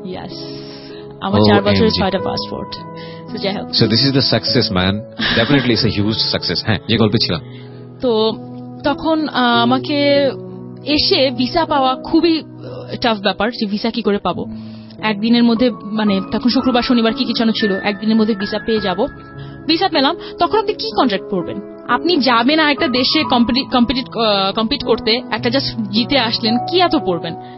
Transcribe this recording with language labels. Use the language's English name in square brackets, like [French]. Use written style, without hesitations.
[Bangla] Yes, আমার 4 বছরে 6টা passport. [English] So this is the success, man, definitely it's a huge success. [Bangla] হ্যাঁ, যে গল্পে ছিলাম, তো তখন আমাকে এসে ভিসা পাওয়া খুবই টাফ ব্যাপার, যে ভিসা কি করে পাবো একদিনের মধ্যে, মানে তখন শুক্রবার শনিবার কি কিছু ছিল, একদিনের মধ্যে ভিসা পেয়ে যাব। ভিসা পেলাম, তখন আপনি কি কন্ট্রাক্ট পড়বেন? আপনি যাবেন একটা দেশে কম্পিট করতে, একটা জাস্ট জিতে আসলেন, কি এত পড়বেন?